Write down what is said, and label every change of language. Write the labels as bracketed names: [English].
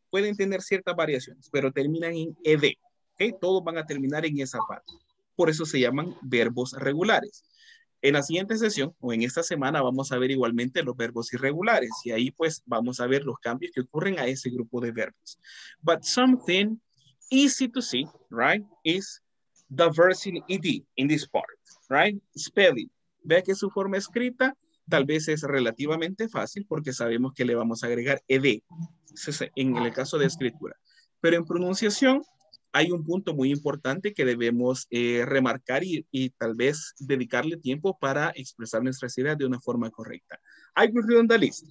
[Spanish] Pueden tener ciertas variaciones, pero terminan en ed. ¿Okay? Todos van a terminar en esa parte. Por eso se llaman verbos regulares. En la siguiente sesión o en esta semana vamos a ver igualmente los verbos irregulares y ahí pues vamos a ver los cambios que ocurren a ese grupo de verbos. [English] But something easy to see, right, is the verbs in ed in this part, right? Spelling. [Spanish] Vea que su forma escrita tal vez es relativamente fácil porque sabemos que le vamos a agregar ed en el caso de escritura. Pero en pronunciación hay un punto muy importante que debemos remarcar y tal vez dedicarle tiempo para expresar nuestras ideas de una forma correcta. [English] I will read on the list.